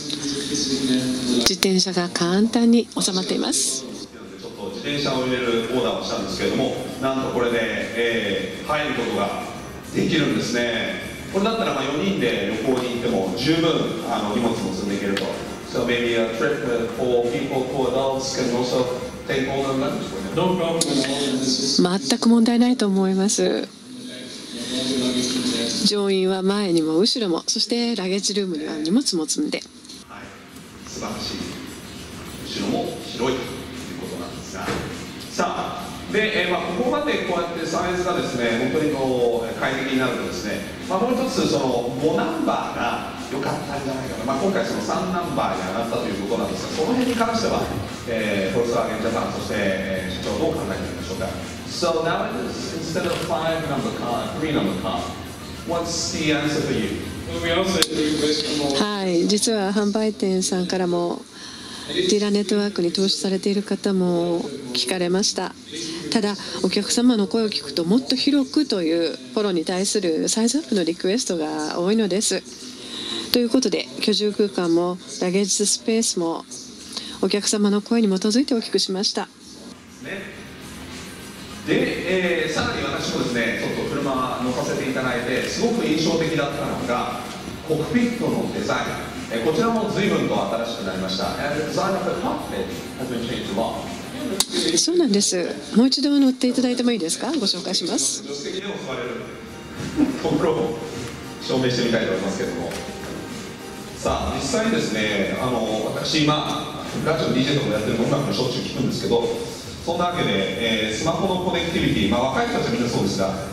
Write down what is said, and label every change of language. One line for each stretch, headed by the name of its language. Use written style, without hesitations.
Japanese: 自転車が簡単に収まっています。ちょっと自転車を入れるオーダーをしたんですけれども、なんとこれで、入ることができるんですね。これだったら4人で旅行に行っても十分荷物も積んでいけると。
English: So maybe a trip with four people, four adults can also take all the luggage. No problem.
Japanese: 全く問題ないと思います。乗員は前にも後ろも、そしてラゲッジルームには荷物も積んで、はい、素晴らしい。後ろも広いということなんですが、さあで、ここまでこうやってサイズがですね、本当にこう快適になるとですね、もう一つその5ナンバーが良かったんじゃないかな、今回その3ナンバーに上がったということなんですが、その辺に関しては、フォルクスワーゲンジャパン、そして、社長どう考えているんでしょうか。
English: So now it is, instead of 5 number car, 3 number car, what's the answer for you?
Japanese: はい、実は販売店さんからもディーラーネットワークに投資されている方も聞かれました。ただお客様の声を聞くと、もっと広くというポロに対するサイズアップのリクエストが多いのです。ということで、居住空間もラゲージスペースもお客様の声に基づいて大きくしました、ね。で、さらに私もですね、ちょっと車乗させていただいてすごく印象的だったのがコックピットのデザイン、こちらも随分と新しくなりました。
English: And the design of the cockpit has been changed a lot.
Japanese: そうなんです。もう一度乗っていただいてもいいですか。ご紹介します。助手席でも座れるところを証明してみたいと思いますけども、さあ実際ですね、私今ラジオ DJ ともやってる、音楽もしょっちゅう聞くんですけど、そんなわけで、スマホのコネクティビティ、若い人たちみんなそうですが